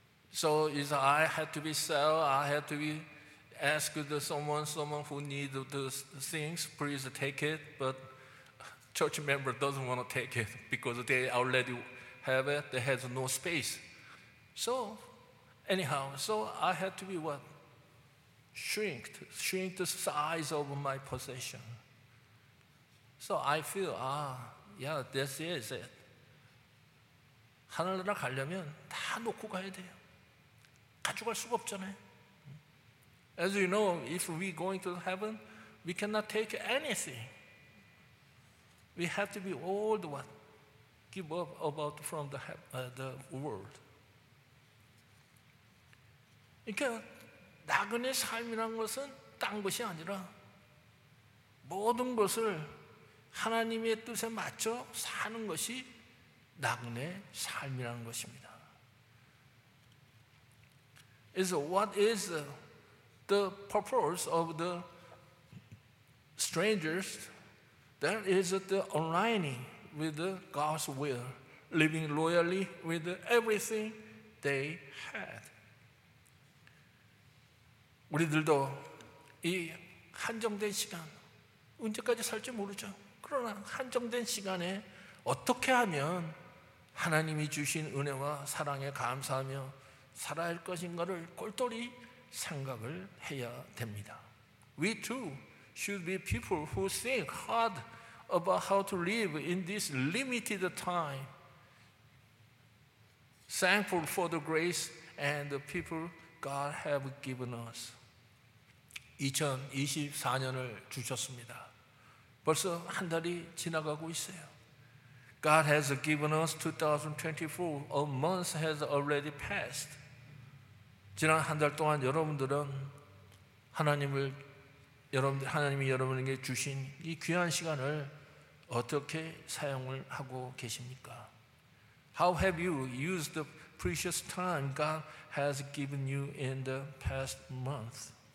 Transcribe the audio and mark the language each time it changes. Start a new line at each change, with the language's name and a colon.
English: So is I had to be sell. I had to be ask the someone who need those things. Please take it. But church member doesn't want to take it because they already have it. They has no space. So. Anyhow, so I had to be what? Shrink the size of my possession. So I feel, yeah, this is it.
Korean: 하늘나라 가려면 다 놓고 가야 돼요. 가져갈 수가 없잖아요.
English: As you know, if we going to heaven, we cannot take anything. We have to be all the what? Give up about from the world.
Korean: 그러니까 나그네 삶이란 것은 딴 것이 아니라 모든 것을 하나님의 뜻에 맞춰 사는 것이 나그네 삶이라는 것입니다.
English: Is what is the purpose of the strangers? That is the aligning with the God's will, living loyally with everything they had.
Korean: 우리들도 이 한정된 시간 언제까지 살지 모르죠. 그러나 한정된 시간에 어떻게 하면 하나님이 주신 은혜와 사랑에 감사하며 살아야 할 것인가를 골똘히 생각을 해야 됩니다.
English: We too should be people who think hard about how to live in this limited time. Thankful for the grace and the people God have given us.
Korean: 2024년을 주셨습니다. 벌써 한 달이 지나가고 있어요.
English: God has given us 2024. A month has already passed.
Korean: 지난 한 달 동안 여러분들은 하나님을 여러분들 하나님이 여러분에게 주신 이 귀한 시간을 어떻게 사용을 하고 계십니까?
English: How have you used the precious time God has given you in the past month?